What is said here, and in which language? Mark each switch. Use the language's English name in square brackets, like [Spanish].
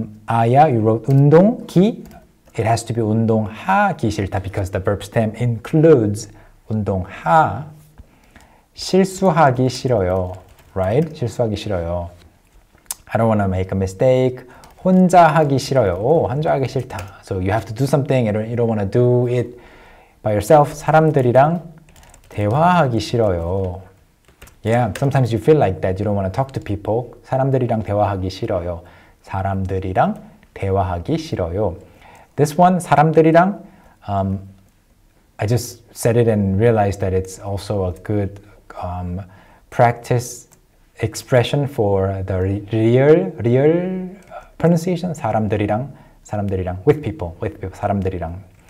[English] Aya, you wrote 운동기. It has to be [Korean] 운동하기 싫다 [English] because the verb stem includes 운동하. [Korean] 실수하기 싫어요. Right? 실수하기 싫어요. [English] I don't want to make a mistake. [Korean] 혼자 하기 싫어요. 오, 혼자 하기 싫다. [English] So you have to do something. You don't want to do it by yourself. [Korean] 사람들이랑 대화하기 싫어요. [English] Yeah, sometimes you feel like that. You don't want to talk to people. [Korean] 사람들이랑 대화하기 싫어요. 사람들이랑 대화하기 싫어요. [English] This one, 사람들이랑, I just said it and realized that it's also a good practice expression for the real pronunciation, 사람들이랑, with people, 사람들이랑.